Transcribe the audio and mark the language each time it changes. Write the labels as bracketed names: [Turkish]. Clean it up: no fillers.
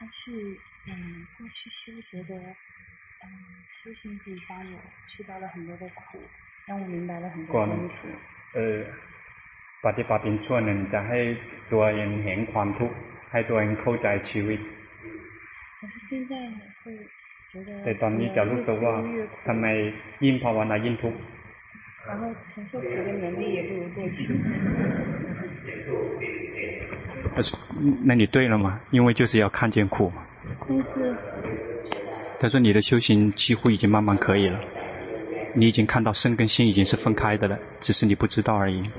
[Chinese] 过去是觉得，修行比加油，去掉了很多的苦。让我明白了很多东西。 [Thai] ปฏิบัติเป็นช่วงหนึ่งจะให้ตัวเองเห็นความทุกข์ให้ตัวเองเข้าใจชีวิต [Chinese] 可是现在会觉得 [Thai] แต่ตอนนี้จะรู้สึกว่าทำไมยิ่งภาวนายิ่งทุกข์ [Chinese] 然后承受苦的能力也不如过去那你对了吗？因为就是要看见苦。但是他说你的修行几乎已经慢慢可以了，你已经看到身跟心已经是分开的了，只是你不知道而已。